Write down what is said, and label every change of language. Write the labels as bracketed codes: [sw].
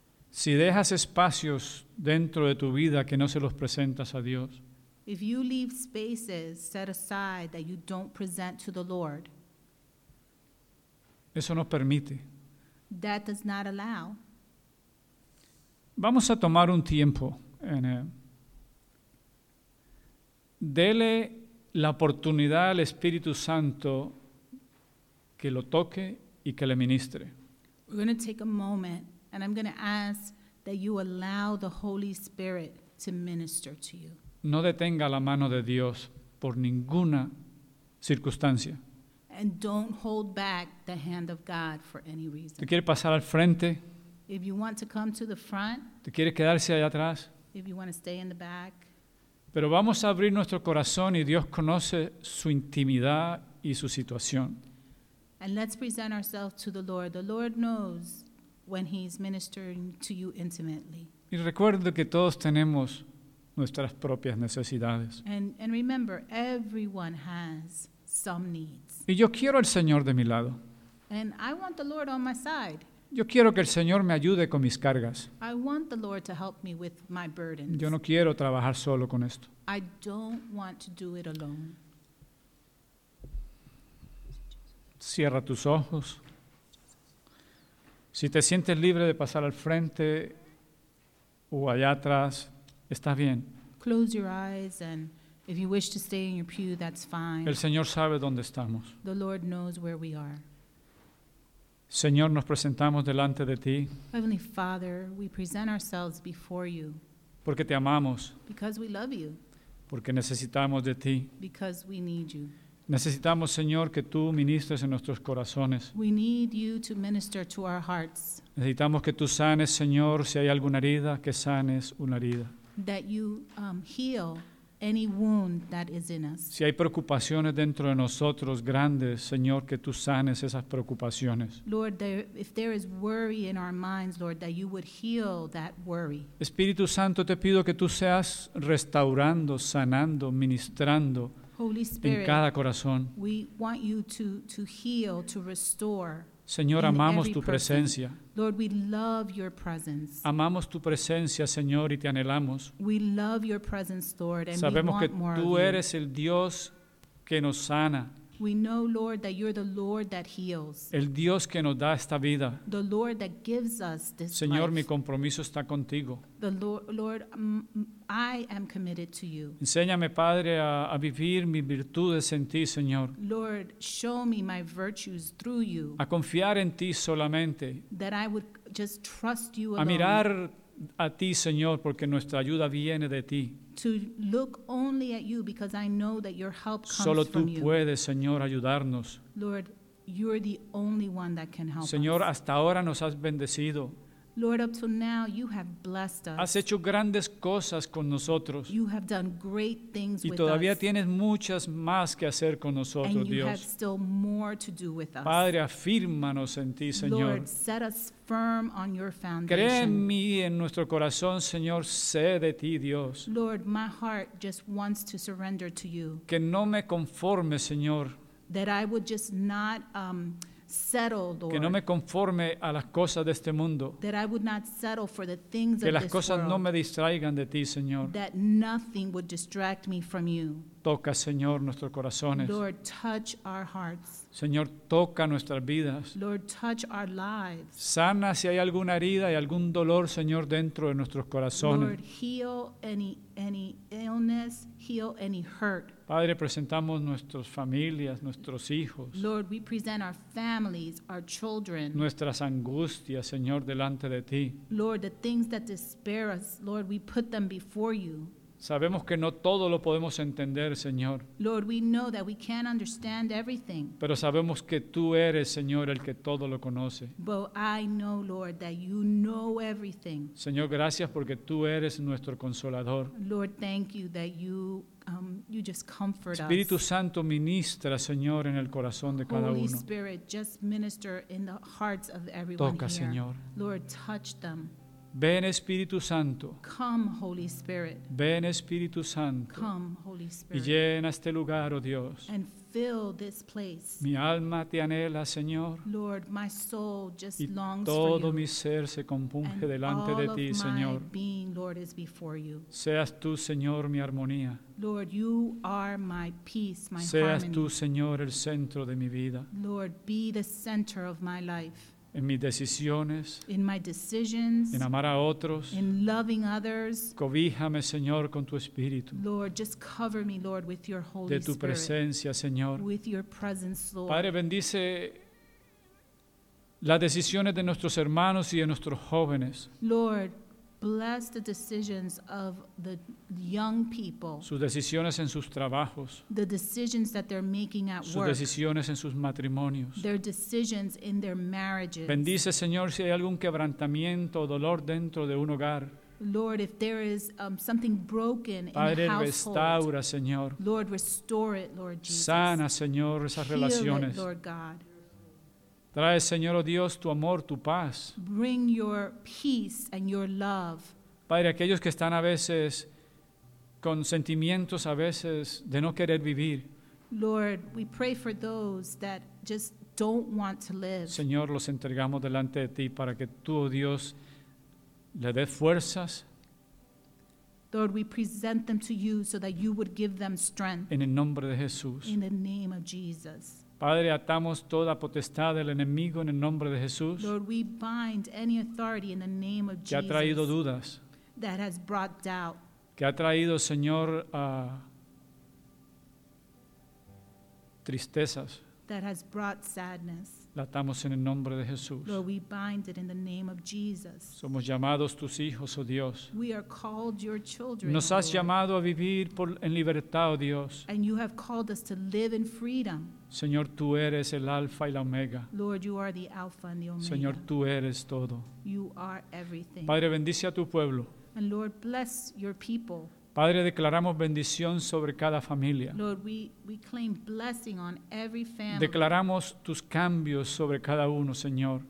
[es] Si dejas espacios dentro de tu vida que no se los presentas a Dios. [en] If you leave spaces set aside that you don't present to the Lord. [es] Eso no permite. [en] That does not allow. [es] Vamos a tomar un tiempo. Dele la oportunidad al Espíritu Santo que lo toque y que le ministre. [en] We're going to take a moment and I'm going to ask that you allow the Holy Spirit to minister to you. [es] No detenga la mano de Dios por ninguna circunstancia. [en] And don't hold back the hand of God for any reason. [es] ¿Te quiere pasar al frente? [en] If you want to come to the front. [es] ¿Te quiere quedarse allá atrás? [en] If you want to stay in the back. [es] Pero vamos a abrir nuestro corazón y Dios conoce su intimidad y su situación. [en] And let's present ourselves to the Lord. The Lord knows when he's ministering to you intimately. [es] Y recuerde que todos tenemos nuestras propias necesidades. [en] And remember, everyone has some needs. [es] Y yo quiero al Señor de mi lado. [en] And I want the Lord on my side. [es] Yo quiero que el Señor me ayude con mis cargas. [en] I want the Lord to help me with my burdens. [es] Yo no quiero trabajar solo con esto. [en] I don't want to do it alone. [es] Cierra tus ojos. Si te sientes libre de pasar al frente o allá atrás, está bien. [en] Close your eyes, and if you wish to stay in your pew, that's fine. [es] El Señor sabe dónde estamos. [en] The Lord knows where we are. [es] Señor, nos presentamos delante de ti. [en] Heavenly Father, we present ourselves before you. [es] Porque te amamos. [en] Because we love you. [es] Porque necesitamos de ti. [en] Because we need you. [es] Necesitamos, Señor, que tú ministres en nuestros corazones. [en] We need you to minister to our hearts. [es] Necesitamos que tú sanes, Señor, si hay alguna herida, que sanes una herida. [en] That you heal any wound that is in us. [es] Si hay preocupaciones dentro de nosotros grandes, Señor, que tú sanes esas preocupaciones. [en] Lord, if there is worry in our minds, Lord, that you would heal that worry. [es] Espíritu Santo, te pido que tú seas restaurando, sanando, ministrando. [en] Holy Spirit, [es] en cada corazón. [en] We want you to heal, to restore. [es] Señor, amamos tu presencia. [en] Lord, we love your presence. [es] Amamos tu presencia, Señor, y te anhelamos. [en] We love your presence, Lord, and [es] sabemos [en] we want more of you. [es] Sabemos que tú eres el Dios que nos sana. [en] We know, Lord, that you're the Lord that heals. [es] El Dios que nos da esta vida. [en] The Lord that gives us this [es] Señor, Señor, mi compromiso está contigo. [en] The Lord, I am committed to you. [es] Enséñame, Padre, a vivir mis virtudes en ti, Señor. [en] Lord, show me my virtues through you. [es] A confiar en ti solamente. [en] That I would just trust you alone. [es] A mirar a ti, Señor, porque nuestra ayuda viene de ti. [en] To look only at you because I know that your help comes from you. [es] Solo tú puedes, Señor, ayudarnos. [en] Lord, you're the only one that can help us. [es] Señor, hasta ahora nos has bendecido. [en] Lord, up till now you have blessed us. [es] Has hecho grandes cosas con nosotros. [en] You have done great things with us. [es] Y todavía tienes muchas más que hacer con nosotros, Dios. [en] And you have still more to do with us. [es] Padre, afírmanos en ti, Señor. [en] Lord, set us firm on your foundation. [es] Cree en mí en nuestro corazón, Señor, sé de ti, Dios. [en] Lord, my heart just wants to surrender to you. [es] Que no me conforme, Señor. [en] That I would just not settle, Lord. [es] Que no me conforme a las cosas de este mundo. [en] That I would not settle for the things of this world. [es] Que las cosas no me distraigan de ti, Señor. [en] That nothing would distract me from you. [es] Toca, Señor, nuestros corazones. [en] Lord, touch our hearts. [es] Señor, toca nuestras vidas. [en] Lord, touch our lives. [es] Sana si hay alguna herida y algún dolor, Señor, dentro de nuestros corazones. [en] Lord, heal any illness, heal any hurt. [es] Padre, presentamos nuestras familias, nuestros hijos. [en] Lord, we present our families, our children. [es] Nuestras angustias, Señor, delante de ti. [en] Lord, the things that despair us, Lord, we put them before you. [es] Sabemos que no todo lo podemos entender, Señor. [en] Lord, we know that we can't understand everything. [es] Pero sabemos que tú eres, Señor, el que todo lo conoce. [en] But I know, Lord, that you know everything. [es] Señor, gracias porque tú eres nuestro consolador. [en] Lord, thank you that you you just comfort us. [es] Espíritu Santo, ministra, Señor, en el corazón de cada uno. [en] Holy Spirit, just minister in the hearts of everyone. [es] Toca, [en] here. [es] Señor. [en] Lord, touch them. [es] Ven Espíritu Santo. [en] Come, Holy Spirit. [es] Ven Espíritu Santo. [en] Come, Holy Spirit. [es] Y llena este lugar, oh Dios. [en] And fill this place. [es] Mi alma te anhela, Señor. [en] Lord, my soul just [es] y [en] longs [es] todo [en] for you. [es] Mi ser se compunge and delante de ti, Señor. [en] And all of my being, Lord, is before you. [es] Seas tú, Señor, mi armonía. [en] Lord, you are my peace, my [es] Seas [en] harmony. [es] Seas tú, Señor, el centro de mi vida. [en] Lord, be the center of my life. [es] En mis decisiones, [en] in my decisions, [es] en amar a otros, [en] in loving others, [es] cobíjame, Señor, con tu espíritu. [en] Lord, just cover me, Lord, with your Holy Spirit. [es] De tu presencia, Señor. [en] With your presence, Lord. [es] Padre, bendice las decisiones de nuestros hermanos y de nuestros jóvenes. [en] Lord, bless the decisions of the young people. [es] Sus decisiones en sus trabajos. [en] The decisions that they're making at [es] sus [en] work. [es] Sus decisiones en sus matrimonios. [en] Their decisions in their marriages. [es] Bendice, Señor, si hay algún quebrantamiento o dolor dentro de un hogar. [en] Lord, if there is something broken [es] Padre, [en] in the household, [es] restaura, Señor. [en] Lord, restore it, Lord Jesus. [es] Sana, Señor, esas [en] Heal [es] relaciones. [en] It, Lord God. [es] Trae, Señor, oh Dios, tu amor, tu paz. [en] Bring your peace and your love. [es] Padre, aquellos que están a veces con sentimientos a veces de no querer vivir. [en] Lord, we pray for those that just don't want to live. [es] Señor, los entregamos delante de ti para que tú, oh Dios, le des fuerzas. [en] Lord, we present them to you so that you would give them strength. [es] En el nombre de Jesús. [en] In the name of Jesus. [es] Padre, atamos toda potestad del enemigo en el nombre de Jesús. [en] Lord, we bind any authority in the name of [es] que [en] Jesus. [es] Que ha traído dudas. [en] That has brought doubt. [es] Que ha traído, Señor, tristezas. [en] That has brought sadness. [es] La atamos en el nombre de Jesús. [en] Lord, we bind it in the name of Jesus. [es] Somos llamados tus hijos, oh Dios. [en] We are called your children, [es] Nos has [en] Lord. [es] Llamado a vivir por, en libertad, oh Dios. [en] And you have called us to live in freedom. [es] Señor, tú eres el Alfa y la Omega. [en] Lord, you are the Alpha and the Omega. [es] Señor, tú eres todo. [en] You are everything. [es] Padre, bendice a tu pueblo. [en] And Lord, bless your people. [es] Padre, declaramos bendición sobre cada familia. [en] Lord, we claim blessing on every family. [es] Declaramos tus cambios sobre cada uno, Señor.